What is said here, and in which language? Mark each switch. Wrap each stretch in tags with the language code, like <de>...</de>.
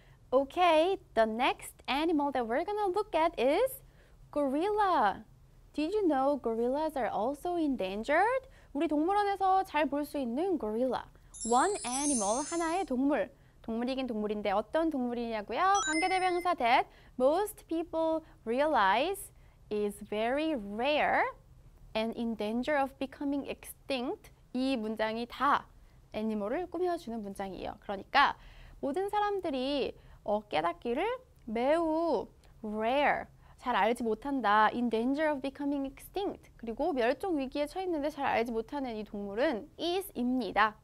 <en>오케이, okay, the next animal that we're gonna look at is gorilla. Did you know gorillas are also endangered?</en> <ko>우리 동물원에서 잘볼수 있는 고릴라.</ko> <en>One animal,</en> <ko>하나의 동물. 동물이긴 동물인데 어떤 동물이냐고요?</ko> <en>관계대명사 that most people realize is very rare and in danger of becoming extinct.</en> <ko>이 문장이 다 애니멀을 꾸며주는 문장이에요. 그러니까 모든 사람들이 깨닫기를 매우 rare. 잘 알지 못한다.</ko> <en>In danger of becoming extinct.</en> <ko>그리고 멸종 위기에 처했는데 잘 알지 못하는 이 동물은 is입니다.</ko>